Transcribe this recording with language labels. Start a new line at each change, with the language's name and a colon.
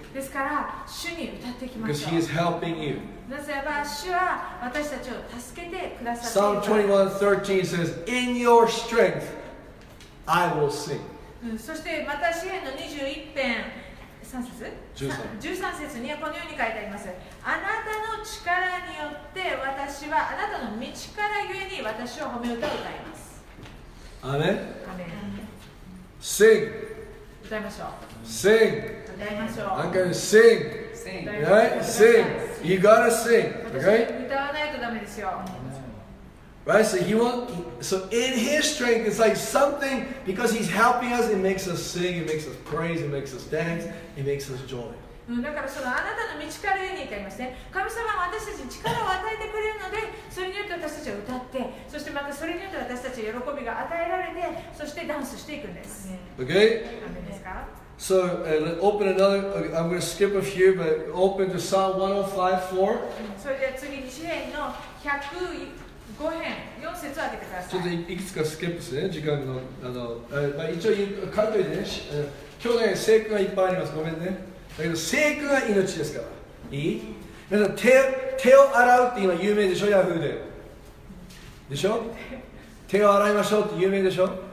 Japanese: ですから主に歌っていきましょう。
English: Because he is helping you.
Japanese: なぜば主は私たちを助けてくださっている。
English: Psalm 21:13 says, "In your strength, I will sing."
Japanese: そしてまた詩編の21:13にはこのように書いてあります。あなたの力によって私はあなたの道からゆえに私を褒め歌を歌います。アメン。アメン。
English: Sing.
Japanese: 歌いましょう。
English: Sing.
Japanese: 歌いましょう。
English: I'm gonna sing. Right? Sing. You gotta sing. Okay?
Japanese: 歌わないとダメですよ。
English: Right? So in His strength, it's like something because He's helping us. It makes us sing. It makes us praise. It makes us dance. It makes us joy.
Japanese: だからそのあなたの道からゆえにと言いますね。神様は私たちに力を与えてくれるので、それによって私たちは歌って、そしてまたそれによって私たちは喜びが与えられて、そしてダンスしていくんです。
English: Okay? So, let's open another, okay, I'm going to skip a few, but open to Psalm 105:4.
Japanese: それでは次、詩編の105編、4節を上げてください。ちょっといくつかスキップですね、時間の。まあ、一応、書いておいてね、去年、ね、聖句がいっぱいあります、ごめんね。だけど聖句が命ですから。いい？皆さん、手を洗うって今有名でしょ、ヤフーででしょ、手を洗いましょうって有名でしょ。